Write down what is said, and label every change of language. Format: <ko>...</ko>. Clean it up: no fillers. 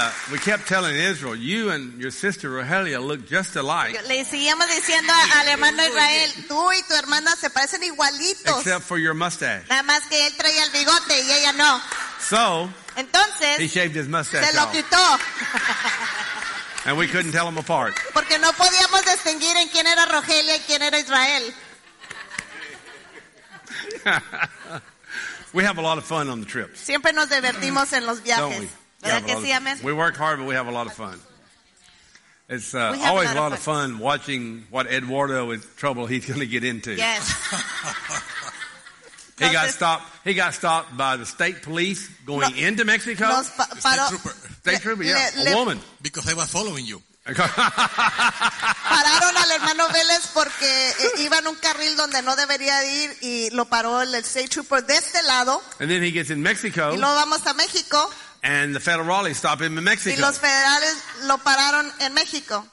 <en>We kept telling Israel, you and your sister Rogelia look just alike.</en> <es>Le seguíamos diciendo al hermano Israel, tú y tu hermana se parecen igualitos.</es> <en>Except for your mustache.</en> <es>Nada más que él traía el bigote y ella no.</es> <en>So,</en> <es>entonces,</es> <en>he shaved his mustache</en> <es>se lo quitó.</es> <en>Off. And we couldn't tell them apart.</en> <es>Porque no podíamos distinguir en quién era Rogelia y quién era Israel.</es> <en>We have a lot of fun on the trips.</en> <es>Siempre nos divertimos en los viajes.</es> <en>Don't we? We work hard, but we have a lot of fun. It's always a lot of fun watching what Eduardo is trouble he's going to get into. Yes. He got stopped by the state police going into Mexico. State trooper, yeah, a woman. Because they were following you.</en> <es>Pararon al hermano Vélez porque iba en un carril donde no debería ir y lo paró el state trooper de este lado.</es> <en>And then he gets in Mexico.</en> <es>Y lo vamos a México.</es> <en>And the federales stop him in Mexico.</en> <es>Y los federales lo pararon en México.</es>